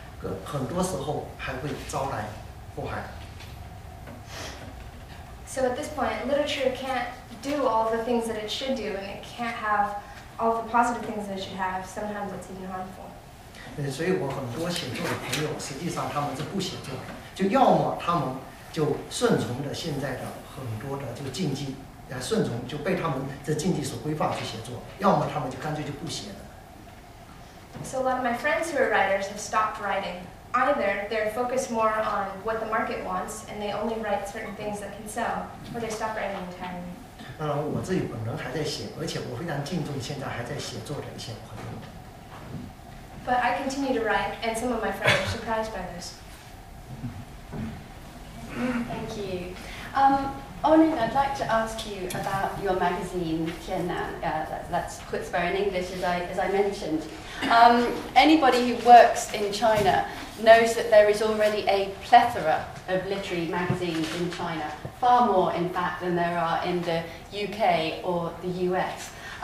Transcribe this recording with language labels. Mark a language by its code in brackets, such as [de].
[zh] 因此写作，就文学写作，它不仅不能够得到很多的现实的好处，很多时候还会招来祸害。 [en] So at this point, literature can't do all the things that it should do, and it can't have all the positive things that you have, sometimes it's even harmful. [zh] 所以我很多写作的朋友，实际上他们是不写作的，就要么他们就顺从的现在的很多的就禁忌，顺从就被他们的禁忌所规范去写作，要么他们就干脆就不写了。 [en] So a lot of my friends who are writers have stopped writing. Either they're focused more on what the market wants, and they only write certain things that can sell, or they stop writing entirely. [zh] 当然，我自己本人还在写，而且我非常敬重现在还在写作的一些朋友。 [en] But I continue to write, and some of my friends are surprised by this. Thank you. Oh, Ning, I'd like to ask you about your magazine, Qianlan. That's quits very in English, as I mentioned. Anybody who works in China knows that there is already a plethora of literary magazines in China, far more, in fact, than there are in the UK or the US.